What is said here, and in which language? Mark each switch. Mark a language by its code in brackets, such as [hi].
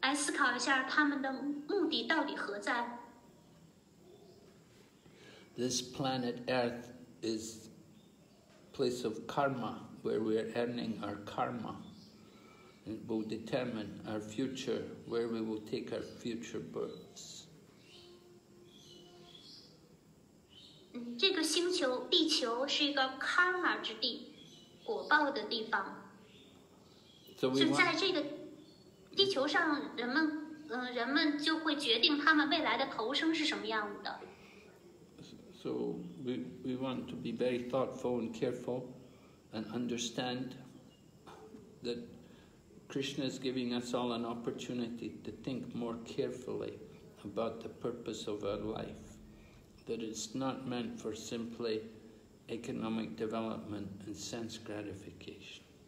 [zh] 目前这个机会，目前的处境，就提供了人们一个良机，让人们停下脚步，来思考一下生命的目标，思考一下他们该何去何从，来思考一下他们的目的到底何在。 [en] This planet Earth is place of karma, where we are earning our karma. It will determine our future, where we will take our future births. [zh] 这个星球地球是一个karma之地，果报的地方。所以在这个地球上，人们就会决定他们未来的投生是什么样的。 [en] So we want to be very thoughtful and careful and understand that Krishna is giving us all an opportunity to think more carefully about the purpose of our life, that it's not meant for simply economic development and sense gratification.